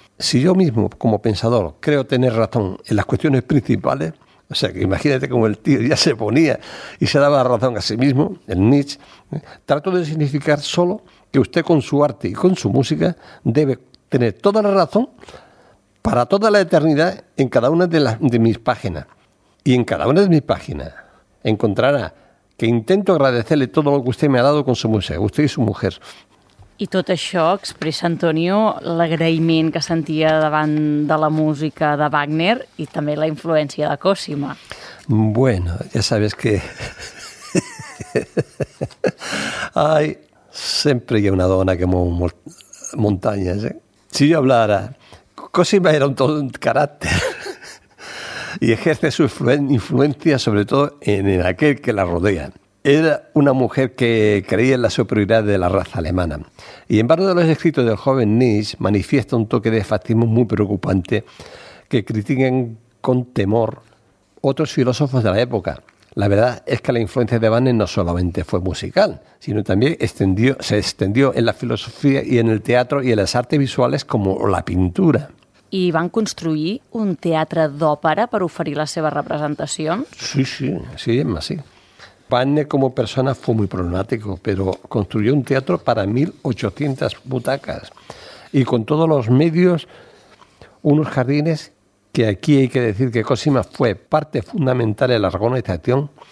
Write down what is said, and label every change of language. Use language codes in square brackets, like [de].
[es] Si yo mismo, como pensador, creo tener razón en las cuestiones principales, o sea, que imagínate cómo el tío ya se ponía y se daba razón a sí mismo, el Nietzsche, trato de significar solo que usted con su arte y con su música debe tener toda la razón para toda la eternidad en cada una de mis páginas. Y en cada una de mis páginas encontrará que intento agradecerle todo lo que usted me ha dado con su música, usted y su mujer. [ca] I tot això expressa, Antonio, l'agraïment que sentia davant de la música de Wagner i també la influència de Cosima. [es] Bueno, ya sabes que [ca] ay, sempre hi ha una dona que mou muntanyes, ¿eh? [es] Si yo hablara, Cosima era un todo un carácter y ejerce su influencia sobre todo en aquel que la rodea. Era una mujer que creía en la superioridad de la raza alemana. Y en varios de los escritos del joven Nietzsche manifiesta un toque de fascismo muy preocupante que critican con temor otros filósofos de la época. La verdad es que la influencia de Wagner no solamente fue musical, sino también se extendió en la filosofía y en el teatro y en las artes visuales como la pintura. [ca] I van construir un teatre d'òpera per oferir les seves representacions? Sí, sí, sí, Emma, sí. [es] Wagner como persona fue muy problemático, pero construyó un teatro para 1.800 butacas y con todos los medios unos jardines que aquí hay que decir que Cosima fue parte fundamental en la organización.